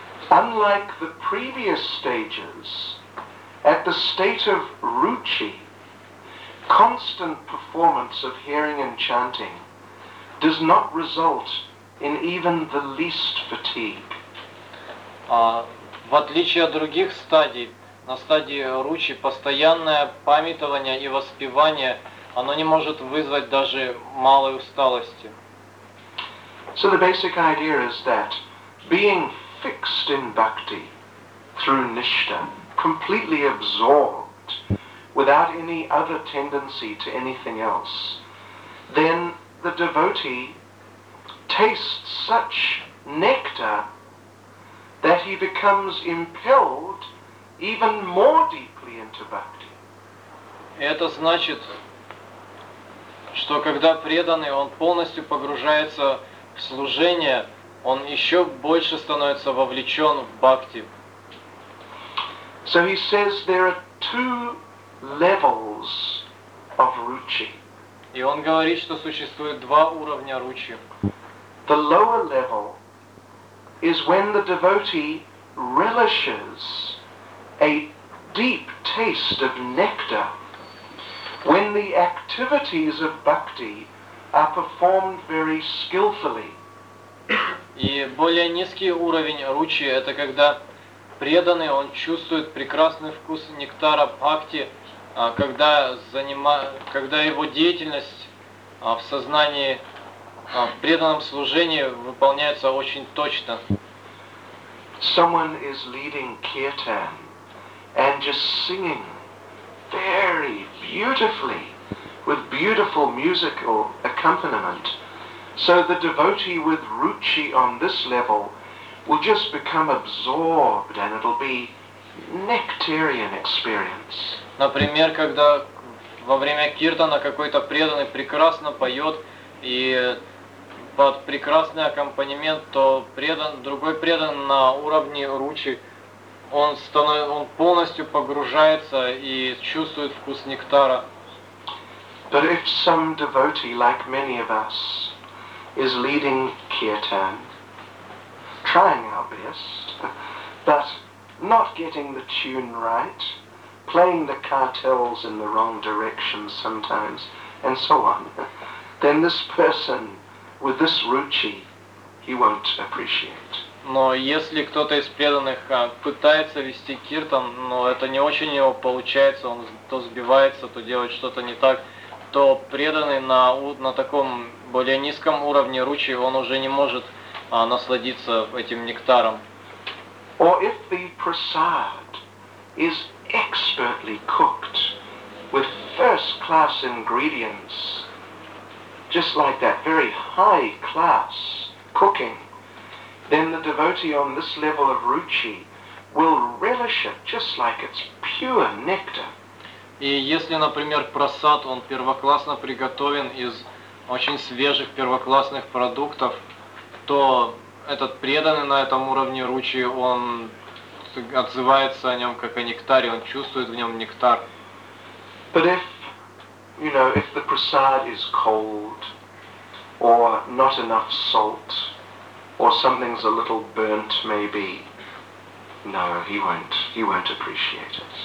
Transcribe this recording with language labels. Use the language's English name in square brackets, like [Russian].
[English] Unlike the previous stages, at the state of ruchi, constant performance of hearing and chanting does not result in even the least fatigue. [Russian] В отличие от других стадий, на стадии ручи постоянное памятование и воспевание, оно не может вызвать даже малой усталости. [English] So the basic idea is that being fixed in bhakti through nishtha, completely absorbed, without any other tendency to anything else, then the devotee tastes such nectar that he becomes impelled even more deeply into bhakti. [Russian] Это значит, что когда преданный, он полностью погружается в служение, он еще больше становится вовлечен в бхакти. [English] So he says there are two levels of ruchi. [Russian] И он говорит, что существует два уровня ручи. [English] The lower level is when the devotee relishes a deep taste of nectar when the activities of bhakti are performed very skillfully. [Russian] И более низкий уровень ручи – это когда преданный, он чувствует прекрасный вкус нектара бхакти, когда, когда его деятельность в сознании, в преданном служении выполняется очень точно. [English] Someone is leading kirtan and just singing very beautifully with beautiful musical accompaniment. So the devotee with ruchi on this level will just become absorbed and it'll be nectarian experience. [Russian] Например, когда во время киртана какой-то преданный прекрасно поет и под прекрасный аккомпанемент, то другой преданный на уровне ручи, он полностью погружается и чувствует вкус нектара. [English] But if some devotee, like many of us, is leading kirtan, trying our best, but not getting the tune right, playing the cartels in the wrong direction sometimes, and so on, then this person with this ruchi, he won't appreciate. [Russian] Но если кто-то из преданных пытается вести киртан, но это не очень его получается, он то сбивается, то делает что-то не так, то преданный на таком более низком уровне ручи, он уже не может насладиться этим нектаром. [English] Or if the prasad is expertly cooked with first-class ingredients, just like that, very high-class cooking, then the devotee on this level of ruchi will relish it just like it's pure nectar. [Russian] И если, например, прасад, он первоклассно приготовлен из очень свежих первоклассных продуктов, то этот преданный на этом уровне ручи, он отзывается о нем как о нектаре, он чувствует в нем нектар. [English] But if, you know, if the prasad is cold, or not enough salt, or something's a little burnt maybe, no, he won't appreciate it.